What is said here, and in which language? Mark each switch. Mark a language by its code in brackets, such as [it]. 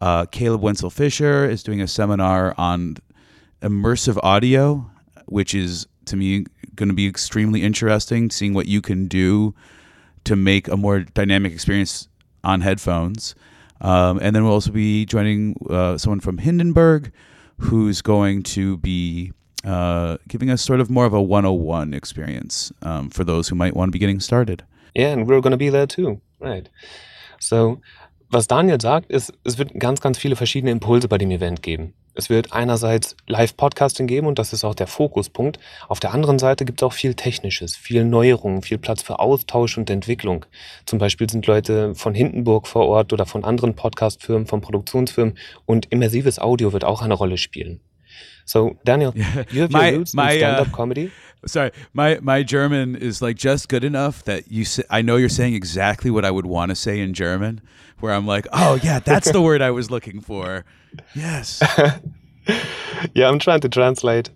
[en] Caleb Wenzel Fisher is doing a seminar on immersive audio, which is, to me, going to be extremely interesting, seeing what you can do to make a more dynamic experience on headphones. And then we'll also be joining someone from Hindenburg, who's going to be giving us sort of more of a 101 experience for those who might want to be getting started. Yeah, and we're going to be there too, right? [de] So, was Daniel sagt, ist, es wird ganz, ganz viele verschiedene Impulse bei dem Event geben. Es wird einerseits Live-Podcasting geben und das ist auch der Fokuspunkt. Auf der anderen Seite gibt es auch viel Technisches, viel Neuerungen, viel Platz für Austausch und Entwicklung. Zum Beispiel sind Leute von Hindenburg vor Ort oder von anderen Podcast-Firmen, von Produktionsfirmen und immersives Audio wird auch eine Rolle spielen. [en] So, Daniel, you have your roots in stand-up comedy. Sorry, my German is like just good enough that you say, I know you're saying exactly what I would want to say in German, where I'm like, oh yeah, that's the word I was looking for. Yes. Yeah, I'm trying to translate.